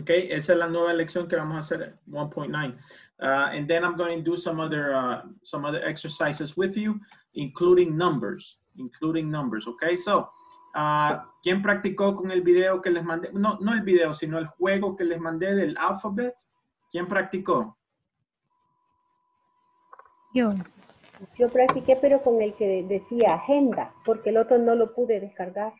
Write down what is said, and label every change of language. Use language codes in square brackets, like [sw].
[es] Okay, esa es la nueva lección que vamos a hacer, 1.9. [en] And then I'm going to do some other exercises with you, including numbers, okay? [es] So, ¿quién practicó con el video que les mandé? No, no el video, sino el juego que les mandé del alphabet. ¿Quién practicó? Yo. Yo practiqué, pero con el que decía agenda, porque el otro no lo pude descargar.